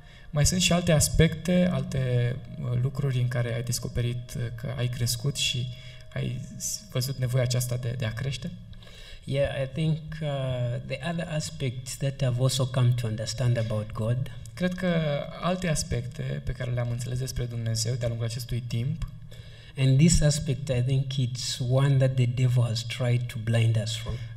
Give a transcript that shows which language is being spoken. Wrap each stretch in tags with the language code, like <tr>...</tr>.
<ro>Mai sunt și alte aspecte, alte lucruri în care ai descoperit că ai crescut și ai văzut nevoia aceasta de a crește?</ro> <en>Yeah, I think the other aspects that I've also come to understand about God.</en> <ro>Cred că alte aspecte pe care le-am înțeles despre Dumnezeu de-a lungul acestui timp.</ro> <en>And this aspect, I think it's one that the devil has tried to blind us from.</en>